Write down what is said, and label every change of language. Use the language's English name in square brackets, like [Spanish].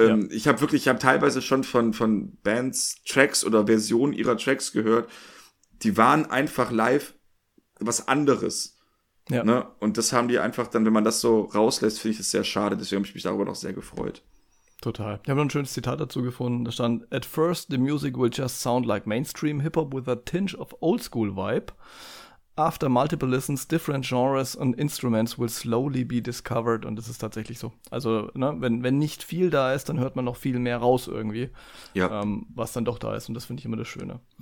[German] Ich habe teilweise schon von Bands Tracks oder Versionen ihrer Tracks gehört, die waren einfach live was anderes. Ja. Ne? Und das haben die einfach dann, wenn man das so rauslässt, finde ich das sehr schade. Deswegen habe ich mich darüber noch sehr gefreut. Total. Ich habe noch ein schönes Zitat dazu gefunden. Da stand, [English] at first the music will just sound like mainstream Hip-Hop with a tinge of old-school vibe. After multiple listens, different genres and instruments will slowly be discovered. [German] Und das ist tatsächlich so. Also, ne, wenn nicht viel da ist, dann hört man noch viel mehr raus irgendwie, was dann doch da ist. Und das finde ich immer das Schöne.